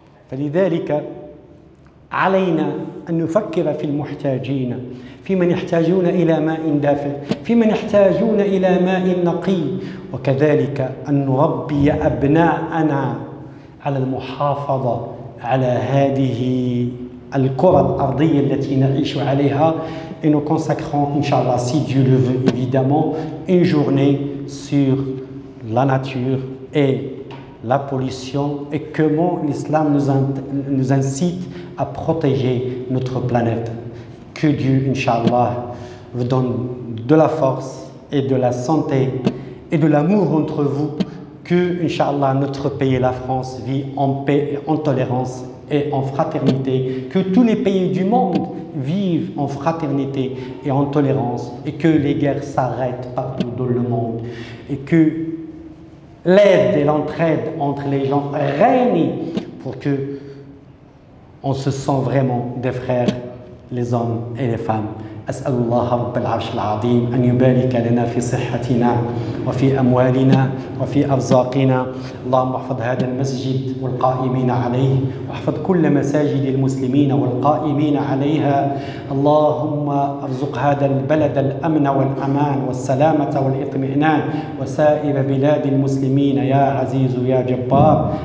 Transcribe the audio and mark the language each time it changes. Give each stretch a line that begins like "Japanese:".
Arabic: فلذلك علينا أن نفكر في المحتاجين، في من يحتاجون إلى ماء دافئ، في من يحتاجون إلى ماء نقي، وكذلك أن نربي أبناءنا على المحافظة على هذه الكرة الأرضية التي نعيش عليها.
French: Et nous consacrons, inshallah, si Dieu le veut évidemment, une journée sur la nature et la pollution et comment l'islam nous incite à protéger notre planète. Que Dieu, inshallah, vous donne de la force et de la santé et de l'amour entre vous. Que, inshallah, notre pays, la France, vit en paix, en tolérance et en fraternité. Que tous les pays du monde vivent en fraternité et en tolérance, et que les guerres s'arrêtent partout dans le monde, et que l'aide et l'entraide entre les gens règnent pour que on se sent vraiment des frères, les hommes et les femmes.
Arabic: أسأل الله رب العرش العظيم أن يبارك لنا في صحتنا وفي أموالنا وفي أرزاقنا. اللهم احفظ هذا المسجد والقائمين عليه، واحفظ كل مساجد المسلمين والقائمين عليها. اللهم ارزق هذا البلد الأمن والأمان والسلامة والإطمئنان، وسائر بلاد المسلمين يا عزيز يا جبار.